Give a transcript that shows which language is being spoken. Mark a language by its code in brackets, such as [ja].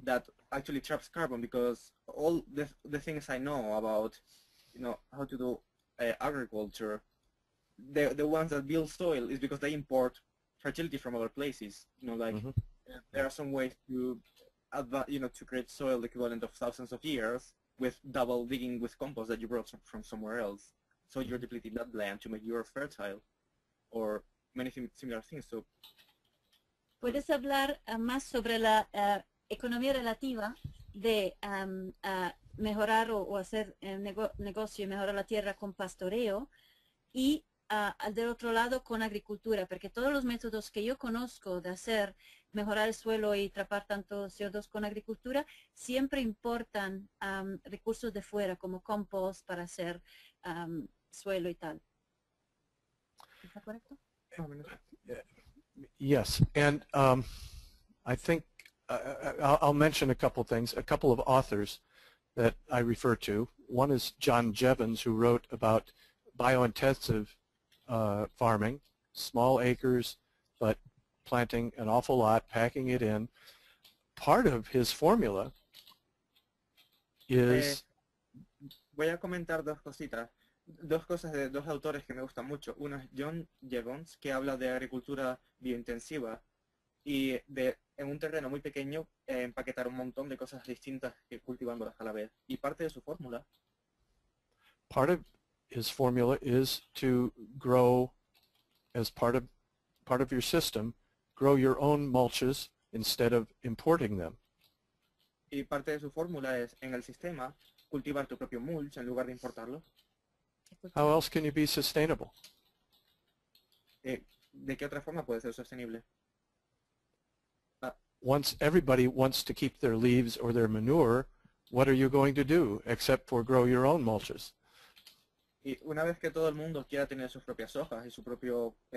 [en] that actually traps carbon, because all the things I know about, you know, how to do agriculture, the ones that build soil is because they import fertility from other places, you know, like mm-hmm. there are some ways to to create soil equivalent of thousands of years with double digging with compost that you brought from somewhere else. So you're depleting that land to make you fertile or many similar things. So [es] ¿puedes hablar más sobre la economía relativa de mejorar o hacer negocio y mejorar la tierra con pastoreo y del otro lado con agricultura? Porque todos los métodos que yo conozco de hacer mejorar el suelo y trapar tanto CO2 con agricultura, siempre importan recursos de fuera, como compost para hacer suelo y tal. ¿Está correcto? [en] Yes, and I think I'll mention a couple things, a couple of authors that I refer to. One is John Jevons, who wrote about biointensive farming, small acres, but planting an awful lot, packing it in. Part of his formula is [es] voy a comentar dos cositas, dos cosas de dos autores que me gustan mucho. Uno es John Jevons, que habla de agricultura biointensiva y de en un terreno muy pequeño empaquetar un montón de cosas distintas que cultivándolas a la vez. Y parte de su fórmula, [en] part of his formula is to grow as part of your system, grow your own mulches instead of importing them. [es] Y parte de su fórmula es en el sistema cultivar tu propio mulch en lugar de importarlo. [en] How else can you be sustainable? [es] ¿De qué otra forma puede ser sostenible? [en] Once everybody wants to keep their leaves or their manure, what are you going to do except for grow your own mulches? [es] Y una vez que todo el mundo quiera tener sus propias hojas y su propio